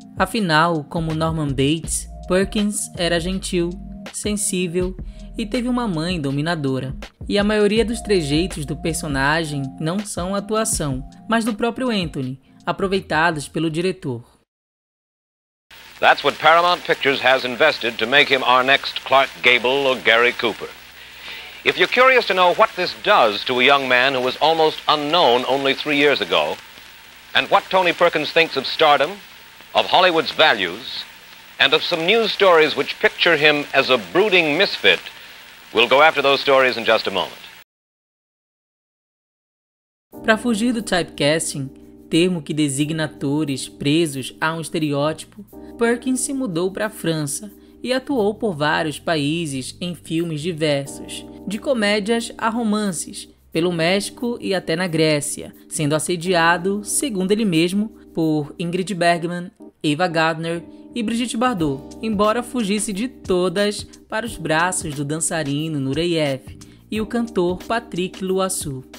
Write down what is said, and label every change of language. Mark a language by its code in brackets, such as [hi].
[pt] Afinal, como Norman Bates, Perkins era gentil, sensível e teve uma mãe dominadora. E a maioria dos trejeitos do personagem não são atuação, mas do próprio Anthony, aproveitados pelo diretor. [en] That's what Paramount Pictures has invested to make him our next Clark Gable or Gary Cooper. If you're curious to know what this does to a young man who was almost unknown only 3 years ago, and what Tony Perkins thinks of stardom, of Hollywood's values, and of some news stories which picture him as a brooding misfit, we'll go after those stories in just a moment. [pt] Para fugir do typecasting, termo que designa atores presos a um estereótipo, Perkins se mudou para a França e atuou por vários países em filmes diversos, de comédias a romances, pelo México e até na Grécia, sendo assediado, segundo ele mesmo, por Ingrid Bergman, Ava Gardner e Brigitte Bardot, embora fugisse de todas para os braços do dançarino Nureyev e o cantor Patrick Luassou.